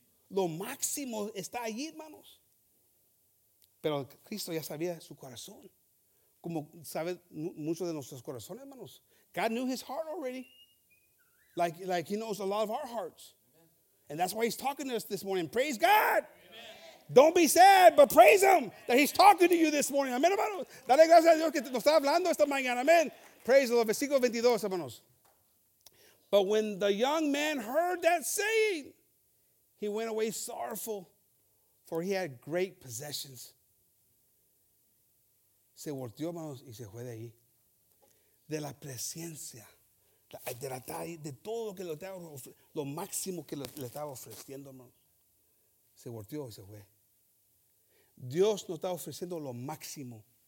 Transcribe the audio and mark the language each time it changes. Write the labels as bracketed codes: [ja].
[es] Lo máximo está allí, hermanos. Pero Cristo ya sabía su corazón. Como sabe mucho de nuestros corazones, hermanos. [en] God knew his heart already. Like he knows a lot of our hearts. And that's why he's talking to us this morning. Praise God. Amen. Don't be sad, but praise him that he's talking to you this morning. [es] Amen, hermanos. Dale gracias a Dios que nos está hablando esta mañana. [en] Amen. Praise the Lord. [es] Versículo 22, hermanos. [en] But when the young man heard that saying, he went away sorrowful, for he had great possessions. [es] Se volteó, hermanos, y se fue de ahí. De la presencia, de todo lo que le estaba ofreciendo, lo máximo que le estaba ofreciendo, hermanos. Se volteó y se fue. Dios nos está ofreciendo lo máximo.